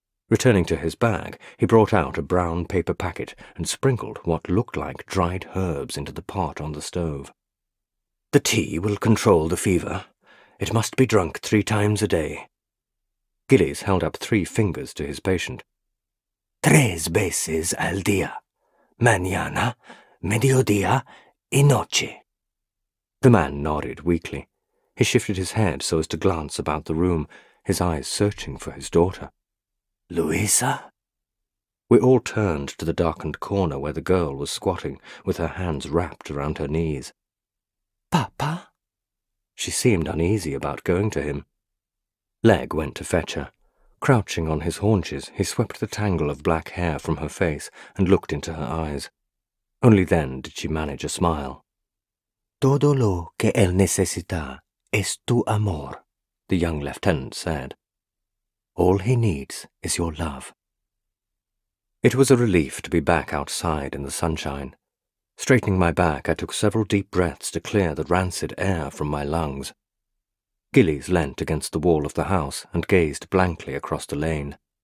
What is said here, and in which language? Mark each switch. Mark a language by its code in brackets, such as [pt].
[en] Returning to his bag, he brought out a brown paper packet and sprinkled what looked like dried herbs into the pot on the stove. The tea will control the fever. It must be drunk 3 times a day. Gillies held up 3 fingers to his patient. [es] 3 veces al día. Mañana, mediodía y noche. [en] The man nodded weakly. He shifted his head so as to glance about the room, his eyes searching for his daughter. Luisa? We all turned to the darkened corner where the girl was squatting, with her hands wrapped around her knees. Papa? She seemed uneasy about going to him. Legg went to fetch her. Crouching on his haunches, he swept the tangle of black hair from her face and looked into her eyes. Only then did she manage a smile. [es] Todo lo que él necesita es tu amor, [en] the young lieutenant said. All he needs is your love. It was a relief to be back outside in the sunshine. Straightening my back, I took several deep breaths to clear the rancid air from my lungs. Gillies leant against the wall of the house and gazed blankly across the lane.